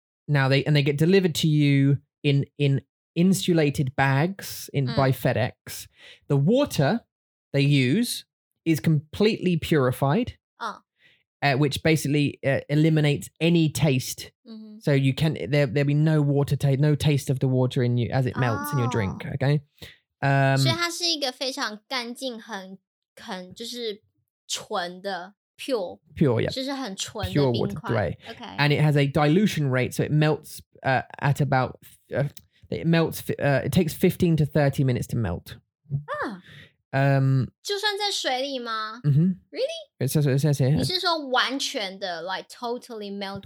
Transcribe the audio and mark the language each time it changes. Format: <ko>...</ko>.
<en>Now they, and they get delivered to you in insulated bags in by FedEx. The water they use is completely purified, which basically eliminates any taste. Mm-hmm. So you can there'll be no water taste, no taste of the water in you as it melts in your drink. Okay.</en> <zh>所以它是一个非常干净、很就是纯的。</zh> <en>Pure. Yeah.</en> <zh>就是很纯的冰块.</zh> <en>Pure water, right. Okay. And it has a dilution rate, so it melts at about, it takes 15 to 30 minutes to melt.</en> <zh>Ah. 就算在水里吗?</zh> <en>Mm-hmm. Really? It says, here.</en> <zh>你是说完全的,</zh> <en>like totally melted?</en>